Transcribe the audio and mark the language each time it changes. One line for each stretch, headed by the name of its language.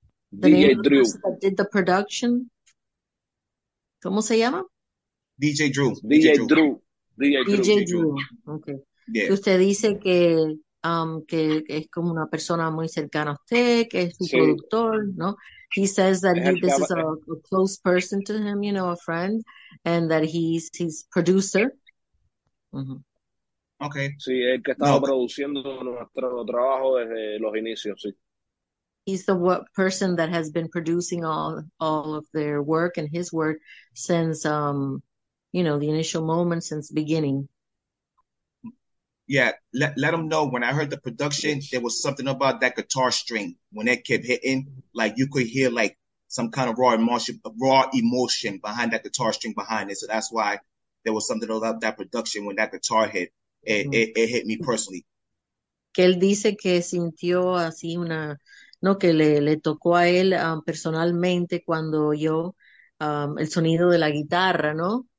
English: DJ Drew. Did the production.
Spanish: ¿Cómo se llama?
English: DJ Drew. DJ Drew. Drew. DJ Drew. DJ Drew. Okay. Yeah.
Spanish: Usted dice que es como una persona muy cercana a usted, que es su sí. productor, ¿no?
English: He says that this is a close person to him, you know, a friend, and that he's his producer. Mm-hmm. Okay.
Spanish: Sí, es el que estaba no. produciendo nuestro trabajo desde los inicios, sí.
English: He's the person that has been producing all of their work and his work since, you know, the initial moment, since beginning. Yeah, let him know. When I heard the production, there was something about that guitar string. When it kept hitting, like you could hear like some kind of raw emotion behind that guitar string behind it. So that's why there was something about that production when that guitar hit. It hit me personally.
Spanish: Que él dice que sintió así una, no, que le tocó a él personalmente cuando oyó el sonido de la guitarra, ¿no?